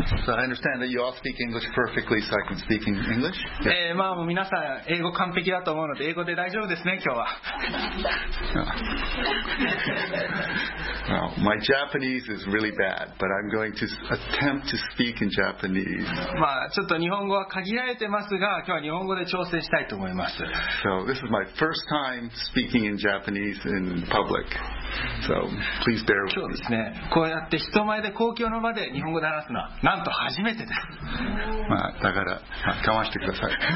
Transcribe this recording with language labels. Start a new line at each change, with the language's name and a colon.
English: I understand that you all speak English perfectly, so I can speak in English. Yes.
Japanese: まあ、皆さん英語完璧だと思うので英語で大丈夫ですね、今日は。
English: Well, my Japanese is really bad, but I'm going to attempt to speak in Japanese.
Japanese: まあ、ちょっと日本語は限られてますが、今日は日本語で調整したいと思います。
English: So this is my first time speaking in Japanese in public. So please bear with me.
Japanese: 今日ですね、こうやって人前で公共の場で日本語で話すのは、なんと初めてです。まあ、だから、まあ、かましてください。